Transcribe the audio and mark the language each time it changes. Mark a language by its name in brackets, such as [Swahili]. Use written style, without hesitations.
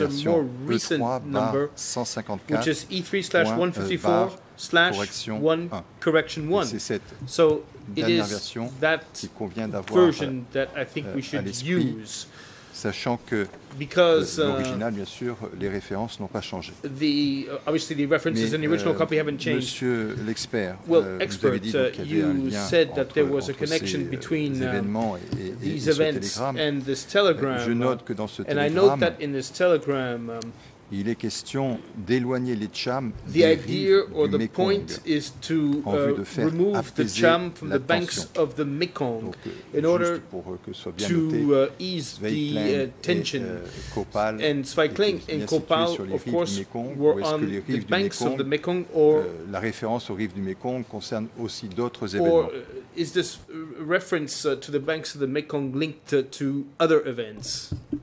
[French] la version E3/154/1. C'est cette dernière version qui convient d'avoir à l'esprit sachant que l'original, bien sûr, les références n'ont pas changé. [English] Obviously, the references in the original copy haven't changed. [French] Monsieur l'expert, vous avez dit qu'il y avait un lien entre ces événements et ce télégramme. Je note que dans ce télégramme, il est question d'éloigner les Cham des rives du Mekong en vue de faire apaiser la tension. Donc, juste pour que ce soit bien noté, Kopal et Svai Kling et Kopal, bien situé sur les rives du Mekong, ou est-ce que les rives du Mekong, Mekong or, la référence aux rives du Mekong concerne aussi d'autres événements? [English] Is this reference to the banks of the Mekong linked to other events?